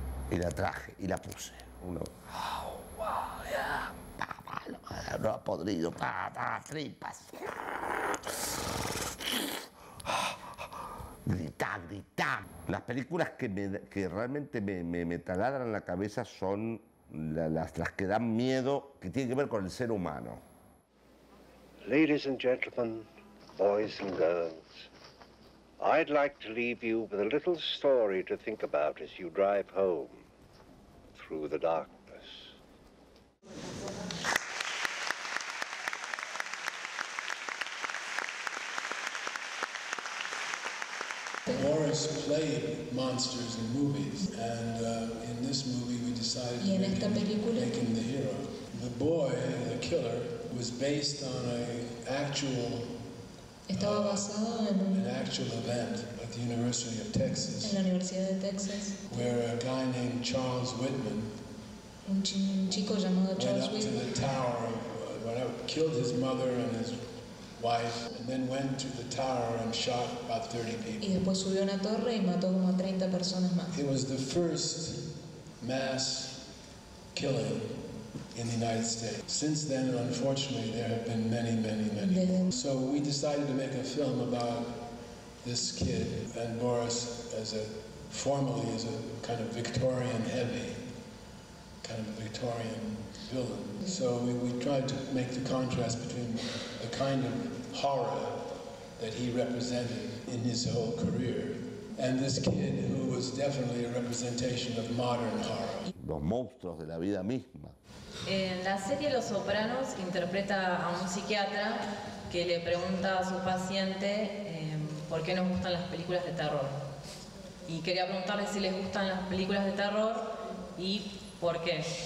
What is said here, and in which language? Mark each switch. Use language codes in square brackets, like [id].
[es] Y la traje y la puse. Uno. [en] Oh, wow, yeah. [es] No ha podrido. Tripas. Grita. Las películas que realmente me taladran la cabeza son las que dan miedo, que tienen que ver con el ser humano. [en] Ladies and gentlemen, boys and girls, I'd like to leave you with a little story to think about as you drive home through the darkness. Morris played monsters in movies, and in this movie we decided to make him the hero. The boy, the killer, was based on an actual event at the University of Texas, [es] en la Universidad de Texas, [en] where a guy named Charles Whitman went up to the tower killed his mother and his wife, and then went to the tower and shot about 30 people. [es] Y después subió a una torre y mató como 30 personas más. [en] It was the first mass killing in the United States. Since then, unfortunately, there have been many, many, many. So we decided to make a film about this kid and Boris formerly as a kind of Victorian heavy, kind of Victorian villain. So we tried to make the contrast between the kind of horror that he represented in his whole career and this kid who was definitely a representation of modern horror. [es] Los monstruos de la vida misma. En la serie Los Sopranos interpreta a un psiquiatra que le pregunta a su paciente por qué nos gustan las películas de terror. Y quería preguntarle si les gustan las películas de terror y por qué.